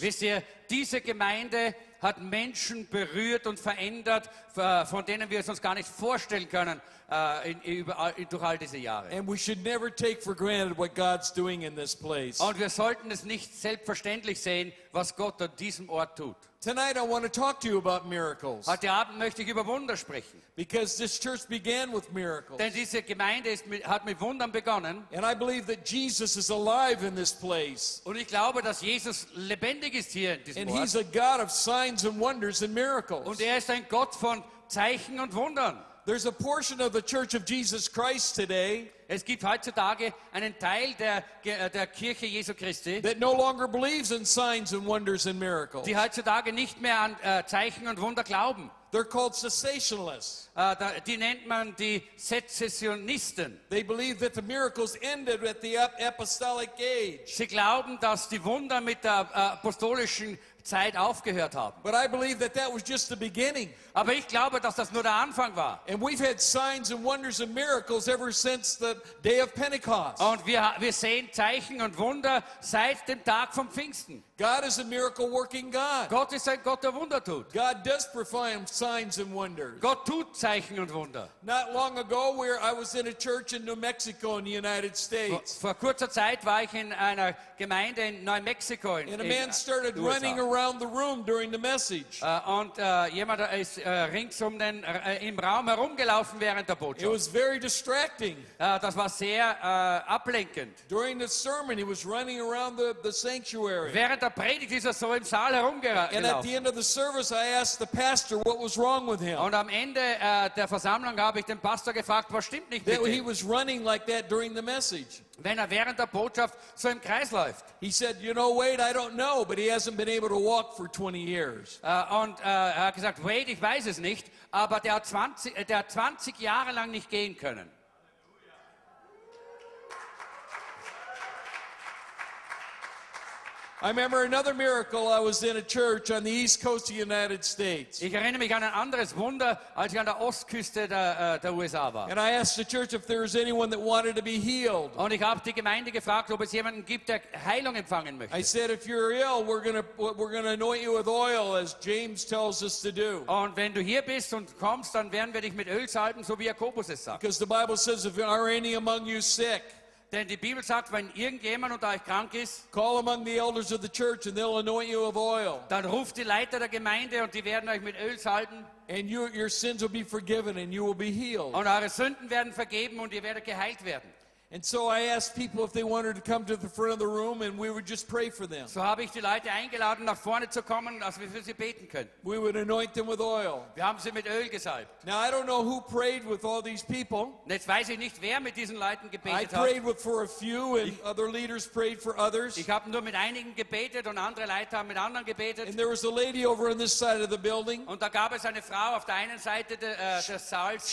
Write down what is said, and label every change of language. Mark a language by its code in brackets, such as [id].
[de] Wisst ihr, diese Gemeinde hat Menschen berührt und verändert, von denen wir es uns gar nicht vorstellen können durch all diese Jahre. [en] And we should never take for granted what God's doing in this place. [de] Und wir sollten es nicht selbstverständlich sehen, was Gott an diesem Ort tut. [en] Tonight I want to talk to you about miracles. [de] Heute Abend möchte ich über Wunder sprechen. [en] Because this church began with miracles. [de] Denn diese Gemeinde hat mit Wundern begonnen. [en] And I believe that Jesus is alive in this place. [de] Und ich glaube, dass Jesus lebendig ist hier in diesem [en] and [de] Ort. [en] He's a God of signs and wonders and miracles. [de] Und er ist ein Gott von Zeichen und Wundern. [en] There's a portion of the Church of Jesus Christ today. [de] Es gibt heutzutage einen Teil der Kirche Jesu Christi. [en] That no longer believes in signs and wonders and miracles. [de] Die heutzutage nicht mehr an Zeichen und Wunder glauben. [en] They're called cessationalists. [de] Die nennt man die Sezessionisten. [en] They believe that the miracles ended at the apostolic age. [de] Sie glauben, dass die Wunder mit der apostolischen Zeit aufgehört haben. [en] But I believe that that was just the beginning. [de] Aber ich glaube, dass das nur der Anfang war. [en] And we've had signs and wonders and miracles ever since the day of Pentecost. [de] Und wir sehen Zeichen und Wunder seit dem Tag vom Pfingsten. [en] God is a miracle-working God. [de] Gott ist ein Gott, der Wunder tut. [en] God does perform signs and wonders. [de] Gott tut Zeichen und Wunder. [en] Not long ago, where I was in a church in New Mexico in the United States. [de] Vor kurzer Zeit war ich in einer Gemeinde in New Mexico. [en] And a man started running around the room during the message. [de] Und jemand ist ringsum den im Raum herumgelaufen während der Botschaft. [en] It was very distracting. [de] Das war sehr ablenkend. [en] During the sermon, he was running around the sanctuary. [de] Während der Predigt ist er so im Saal herumgelaufen. [en] And at the end of the service, I asked the pastor what was wrong with him. [de] Und am Ende der Versammlung habe ich den Pastor gefragt, was stimmt nicht mit ihm. [en] He was running like that during the message. [de] Wenn er während der Botschaft so im Kreis läuft. [en] He said, you know, Wayde, I don't know, but he hasn't been able to walk for 20 years. [de] Und er hat gesagt, Wayde, ich weiß es nicht, aber der hat 20 Jahre lang nicht gehen können. [en] I remember another miracle. I was in a church on the east coast of the United States. [de] Ich erinnere mich an ein anderes Wunder, als ich an der Ostküste der USA war. [en] And I asked the church if there was anyone that wanted to be healed. [de] Und ich habe die Gemeinde gefragt, ob es jemanden gibt, der Heilung empfangen möchte. [en] I said, if you're ill, we're gonna anoint you with oil, as James tells us to do. [de] Und wenn du hier bist und kommst, dann werden wir dich mit Öl salben, so wie Jakobus es sagt. [en] Because the Bible says, if there are any among you sick. [de] Denn die Bibel sagt, wenn irgendjemand unter euch krank ist, [en] call among the elders of the church and they'll anoint you with oil. [de] Dann ruft die Leiter der Gemeinde und die werden euch mit Öl salben. [en] And your sins will be forgiven and you will be healed. [de] Und eure Sünden werden vergeben und ihr werdet geheilt werden. [en] And so I asked people if they wanted to come to the front of the room and we would just pray for them. [de] So habe ich die Leute eingeladen, nach vorne zu kommen, dass wir für sie beten können. [en] We would anoint them with oil. [de] Wir haben sie mit Öl gesalbt. [en] Now I don't know who prayed with all these people. [de] Jetzt weiß ich nicht, wer mit diesen Leuten gebetet hat. [en] I prayed for a few and other leaders prayed for others. [de] Ich habe nur mit einigen gebetet und andere Leiter haben mit anderen gebetet. [en] And there was a lady over on this side of the building. [de] Und da gab es eine Frau auf der einen Seite des Saals.